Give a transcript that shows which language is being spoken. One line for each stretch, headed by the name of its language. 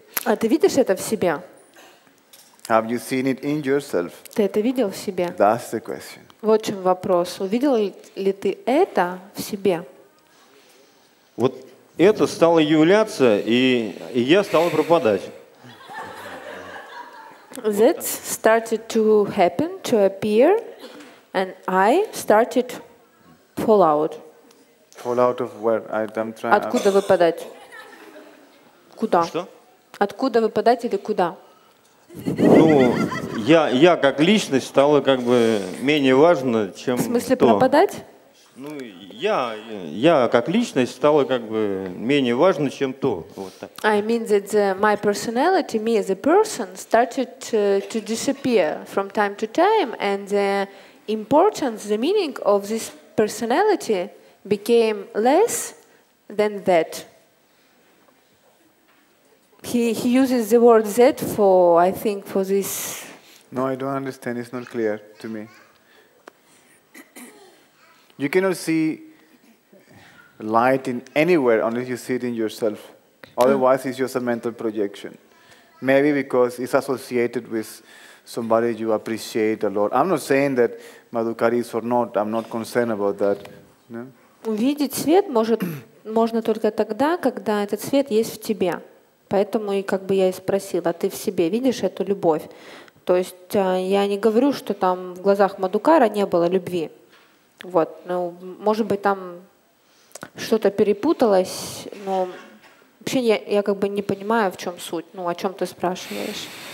Russian: А ты видишь это в себе?
English: Have you seen it in yourself?
Russian: Ты это видел в себе?
English: That's the question.
Russian: Вот в чем вопрос. Увидел ли ты это в себе? Вот это стало являться, и я стал пропадать.
English: That started to happen, to appear, and I started fall out. Fall out of where? I'm trying.
Russian: Откуда выпадать? Куда? Что? Откуда выпадать или куда? Ну, я как личность стала как бы менее важна, чем кто. В смысле пропадать? Ну, я как личность стала как бы менее важна, чем то. Вот так.
English: I mean that my personality, me as a person, started to disappear from time to time, and the importance, the meaning of this personality became less than that. He uses the word that for, I think, for this No, I don't understand. It's not clear to me. You cannot see light in anywhere unless you see it in yourself. Otherwise, it's just a mental projection. Maybe because it's associated with somebody you appreciate a lot. I'm not saying that Madhukari is or not. I'm not concerned about that. No?
Russian: Увидеть свет может можно только тогда, когда этот свет есть в тебе. Поэтому и как бы я и спросила, ты в себе видишь эту любовь? То есть я не говорю, что там в глазах Мадукара не было любви. Вот, ну, может быть, там что-то перепуталось, но вообще я как бы не понимаю, в чем суть, ну, о чем ты спрашиваешь.